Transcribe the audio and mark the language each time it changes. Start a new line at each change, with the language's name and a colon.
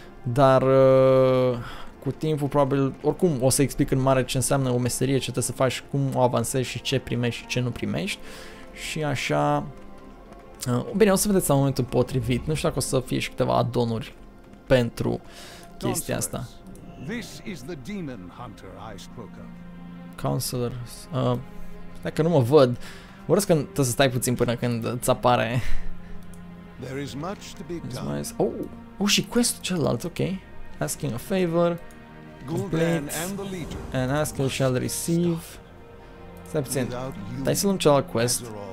Romanian: Dar cu timpul probabil, oricum o să explic în mare ce înseamnă o meserie, ce trebuie să faci, cum o avansezi și ce primești și ce nu primești. Și așa, bine, o să vedeți la momentul potrivit. Nu știu dacă o să fie și câteva addon-uri pentru chestia asta.
English: This is the demon hunter I spoke of.
Romanian: Counselor, dacă nu mă văd, urăsc când trebuie să stai puțin până când îți apare.
English: There is much to be done. Oh,
Romanian: și questul celălalt,
English: ok. Asking a favor, complete, and ask and shall receive.
Romanian: Stai puțin, dai să luăm celălalt quest.